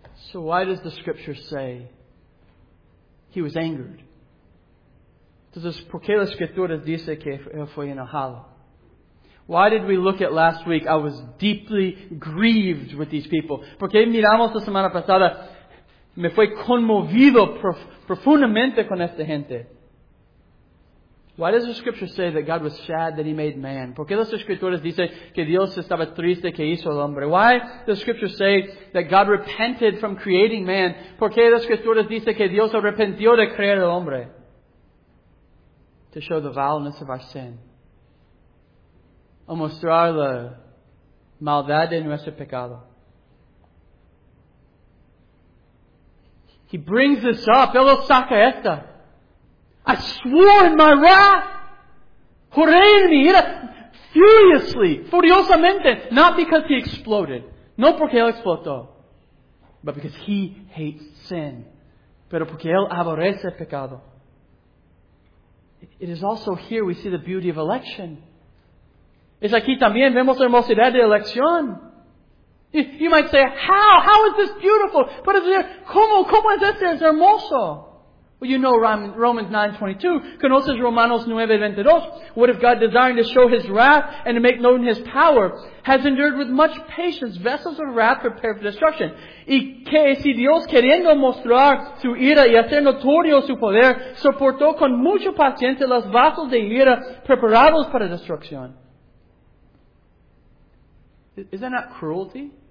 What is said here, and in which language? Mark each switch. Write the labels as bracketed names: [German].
[English] So why does the Scripture say He was angered? [Spanish] Entonces, ¿por qué la Escritura dice que Él fue enojado? [English] Why did we look at last week? I was deeply grieved with these people. [Spanish] ¿Por qué miramos la semana pasada? Me fue conmovido profundamente con esta gente. [English] Why does the Scripture say that God was sad that He made man? [Spanish] ¿Por qué las Escrituras dicen que Dios estaba triste que hizo al hombre? [English] Why does the Scripture say that God repented from creating man? [Spanish] ¿Por qué las Escrituras dicen que Dios arrepintió de crear al hombre? [English] To show the vileness of our sin. [Spanish] A mostrar la maldad de nuestro pecado. [English] He brings this up. [Spanish] Él lo saca esta. [English] I swore in my wrath. [Spanish] Juré en mi ira. [English] Furiously. [Spanish] Furiosamente. [English] Not because He exploded. [Spanish] No porque Él explotó. [English] But because He hates sin. [Spanish] Pero porque Él aborrece el pecado. [English] It is also here we see the beauty of election. [Spanish] Es aquí también vemos la hermosidad de elección. [English] You might say, how? How is this beautiful? But is there, [Spanish] ¿cómo es este? Es hermoso. [English] Well, you know Romans 9:22. [Spanish] Conoces Romanos 9:22. [English] What if God, desiring to show His wrath and to make known His power, has endured with much patience vessels of wrath prepared for destruction? [Spanish] Y que si Dios, queriendo mostrar su ira y hacer notorio su poder, soportó con mucha paciencia los vasos de ira preparados para destrucción. [English] Is that not cruelty?